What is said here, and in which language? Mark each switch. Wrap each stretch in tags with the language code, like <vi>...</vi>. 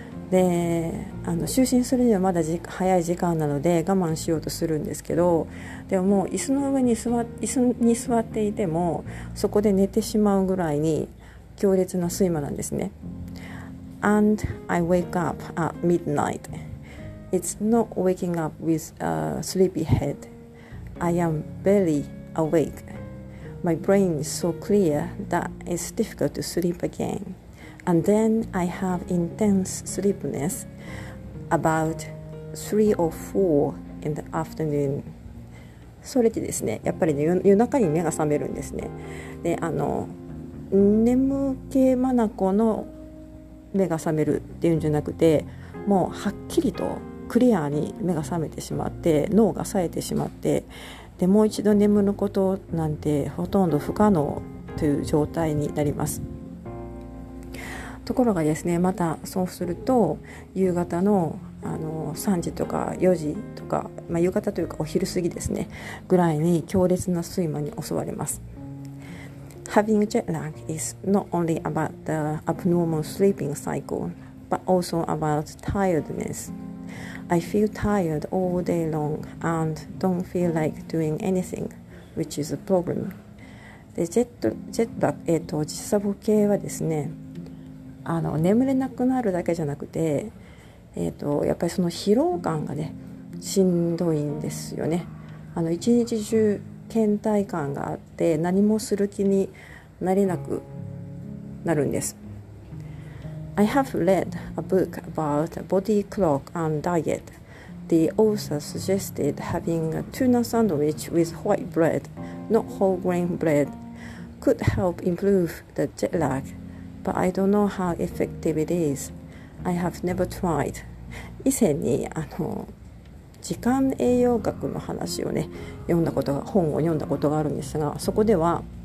<ja>で就寝するにはまだ早い時間なので我慢しようとするんですけど、でももう椅子に座っていてもそこで寝てしまうぐらいに強烈な睡魔なんですね。</ja> <en>And I wake up at midnight. It's not waking up with a sleepy head. I am barely awake. My brain is so clear that it's difficult to sleep again. And then I have intense sleepiness about 3 or 4 in the afternoon.</en> <ja>それでですね、やっぱりね、夜中に目が覚めるんですね。で、眠気まなこの目が覚めるっていうんじゃなくて、もうはっきりとクリアに目が覚めてしまって、脳が冴えてしまって、でもう一度眠ることなんてほとんど不可能という状態になります。ところがですね、またそうすると夕方 の3時とか4時とか、まあ、夕方というかお昼過ぎですねぐらいに強烈な睡魔に襲われます。</ja> <en>Having jet lag is not only about the abnormal sleeping cycle but also about tiredness. I feel tired all day long and don't feel like doing anything, which is a problem.</en> <ja>で、ジェットラグ、時差ボケはですね、眠れなくなるだけじゃなくて、やっぱりその疲労感がねしんどいんですよね。一日中倦怠感があって何もする気になれなくなるんです。</ja> <en>I have read a book about body clock and diet. The author suggested having a tuna sandwich with white bread, not whole grain bread, could help improve the jet lagBut I don't know how effective it is. I have never tried.</en> <ja>以前に時間栄養学の話をね、本を読んだことがあるんですが、そこでは</ja>